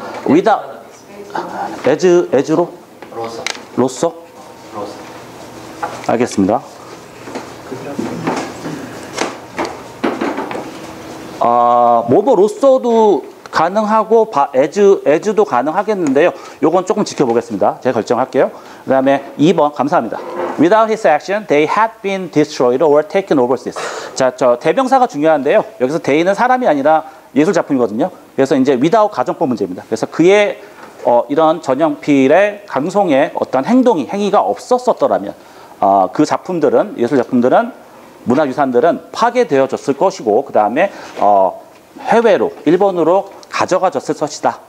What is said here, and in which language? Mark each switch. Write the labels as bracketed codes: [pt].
[ko] With a as로? 로서. 알겠습니다. 로서도 가능하고 as도 가능하겠는데요. 요건 조금 지켜보겠습니다. 제가 결정할게요. 그 다음에 2번 감사합니다. [en] Without his action, they had been destroyed or taken overseas. [ko] 자, 저 대명사가 중요한데요. 여기서 they는 사람이 아니라 예술 작품이거든요. 그래서 이제 without 가정법 문제입니다. 그래서 그의 이런 전형필의 강성의 어떤 행위가 없었었더라면 그 작품들은 예술 작품들은 문화유산들은 파괴되어졌을 것이고 그 다음에 해외로 일본으로 가져가졌을 것이다.